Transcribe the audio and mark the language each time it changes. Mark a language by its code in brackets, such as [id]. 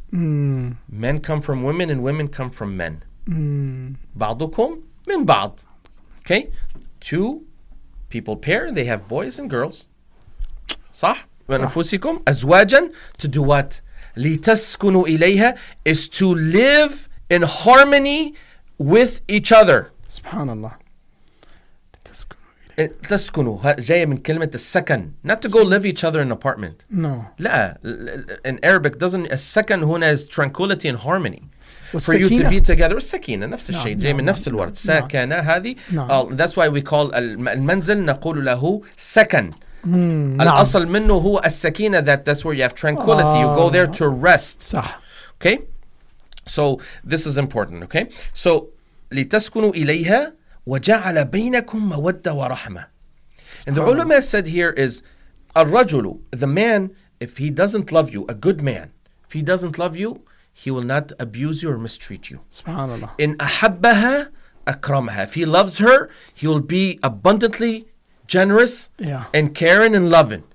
[en] Men come from women and women come from men. [ar] Ba'dukum min ba'd. [en] Okay? Two people pair, they have boys and girls. Sah? [ar] Wa nafusikum azwajan, [en] to do what? [ar] Litaskunu ilayha, [en] is to live in harmony with each other. Subhanallah. [ar] تسكنوا جاية من كلمة السكن. [en] Not to go live each other in an apartment. No. [ar] لا. [en] In Arabic, [ar] السكن هنا [en] is tranquility and harmony. For you to be together. [ar] السكينة نفس الشيء. جاية من نفس الورد. سكنة هذه. [en] That's why we call [ar] المنزل نقول له سكن. الأصل منه هو السكينة. [en] That's where you have tranquility. You go there to rest. [ar] صح. [en] Okay? So this is important. Okay? [ar] So لتسكنوا إليها وَجَعَلَ بَيْنَكُمْ مَوَدَّ وَرَحْمَةً. [en] And the ulama said here is, الرَّجُلُ, the man, if he doesn't love you, a good man, if he doesn't love you, he will not abuse you or mistreat you. SubhanAllah. [ar] إِنْ أَحَبَّهَا أَكْرَمَهَا. [en] If he loves her, he will be abundantly generous and caring and loving.